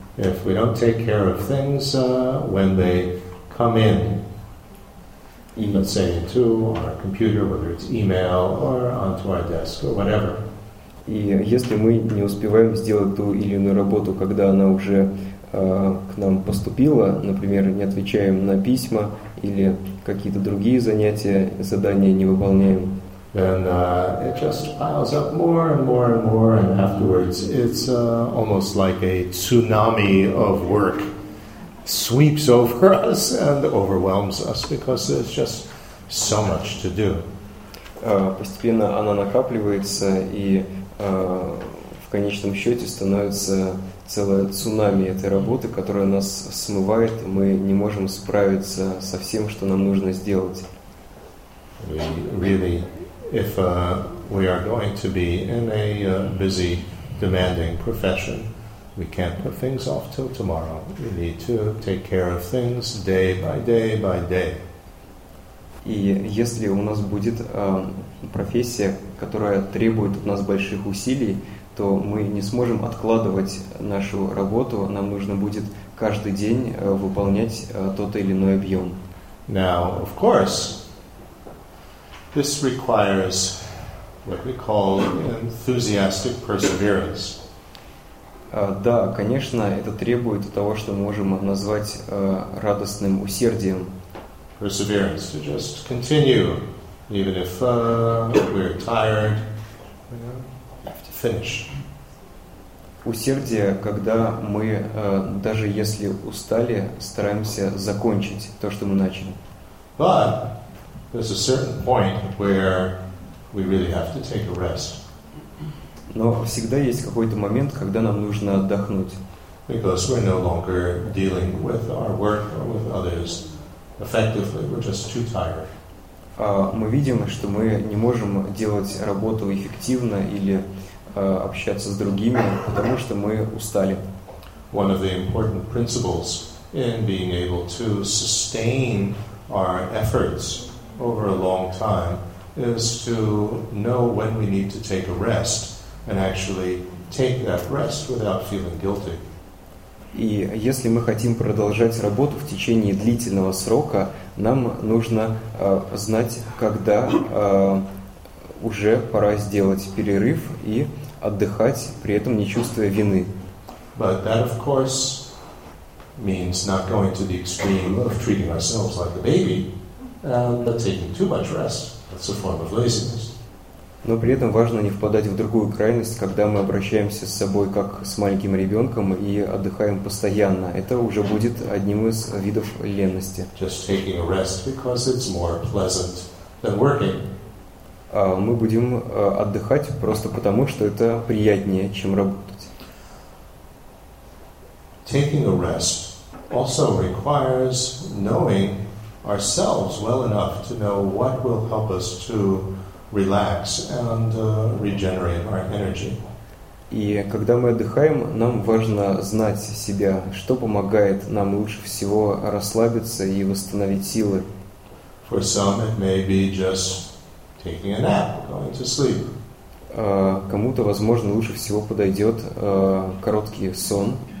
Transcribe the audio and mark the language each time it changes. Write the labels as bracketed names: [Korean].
[English] If we don't take care of things when they come in, let's say into our computer, whether it's email or onto our desk or whatever. [Russian] И если мы не успеваем сделать ту или иную работу, когда она уже к нам поступила, например, не отвечаем на письма или какие-то другие занятия, задания не выполняем. [English] Then it just piles up more and more and more, and afterwards it's almost like a tsunami of work sweeps over us and overwhelms us because there's just so much to do. [Russian] Постепенно она накапливается и в конечном счете становится целое цунами этой работы, которая нас смывает, мы не можем справиться со всем, что нам нужно сделать. [English] We really, if we are going to be in a busy, demanding profession, we can't put things off till tomorrow. We need to take care of things day by day by day. [Russian] И если у нас будет профессия, которая требует от нас больших усилий, то мы не сможем откладывать нашу работу, нам нужно будет каждый день выполнять тот или иной объем. [English] Now, of course, this requires what we call enthusiastic perseverance. [Russian] Да, конечно, это требует того, что мы можем назвать радостным усердием. [English] Perseverance, to just continue, even if we're tired, have to finish. [Russian] Усердие, когда мы, даже если устали, стараемся закончить то, что мы начали. [English] But there's a certain point where we really have to take a rest. [Russian] Но всегда есть какой-то момент, когда нам нужно отдохнуть. [English] Because we're no longer dealing with our work or with others effectively. We're just too tired. [Russian] Мы видим, что мы не можем делать работу эффективно или общаться с другими, потому что мы устали. [English] One of the important principles in being able to sustain our efforts over a long time is to know when we need to take a rest and actually take that rest without feeling guilty. [Russian] И если мы хотим продолжать работу в течение длительного срока, нам нужно знать, когда уже пора сделать перерыв и отдыхать, при этом не чувствуя вины. [English] But that, of course, means not going to the extreme of treating ourselves like a baby and taking too much rest. That's a form of laziness. [Russian] Но при этом важно не впадать в другую крайность, когда мы обращаемся с собой как с маленьким ребенком и отдыхаем постоянно. Это уже будет одним из видов ленности. [English] Just taking a rest because it's more pleasant than working. [Russian] Мы будем отдыхать просто потому, что это приятнее, чем работать. [English] Taking a rest also requires knowing ourselves well enough to know what will help us to relax and regenerate our energy. [Russian] И когда мы отдыхаем, нам важно знать себя, что помогает нам лучше всего расслабиться и восстановить силы. [English] For some it may be just taking a nap, going to sleep. [Russian] Кому-то, возможно, лучше всего подойдет короткий сон.